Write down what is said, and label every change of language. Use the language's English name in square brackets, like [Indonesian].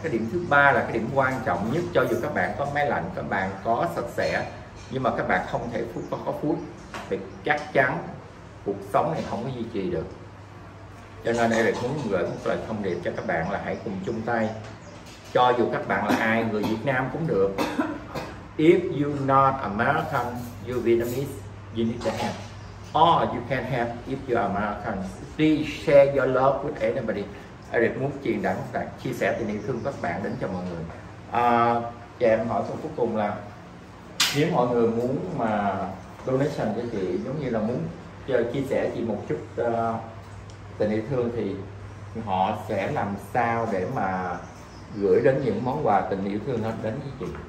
[Vietnamese] Cái điểm thứ ba là cái điểm quan trọng nhất, cho dù các bạn có máy lạnh, các bạn có sạch sẽ, nhưng mà các bạn không thể có food, thì chắc chắn cuộc sống này không có duy trì được. Cho nên đây là muốn gửi một lời thông điệp cho các bạn là hãy cùng chung tay. Cho dù các bạn là ai, người Việt Nam cũng được. [English] If you not American, you Vietnamese, you need to have. Or you can have if you are American. Please share your love with anybody. [Vietnamese] Eric muốn truyền đạt các bạn, chia sẻ tình yêu thương các bạn đến cho mọi người. Chị em hỏi phút cuối cùng là nếu mọi người muốn mà donation cho chị, giống như là muốn chia sẻ chị một chút tình yêu thương, thì họ sẽ làm sao để mà gửi đến những món quà tình yêu thương đến với chị?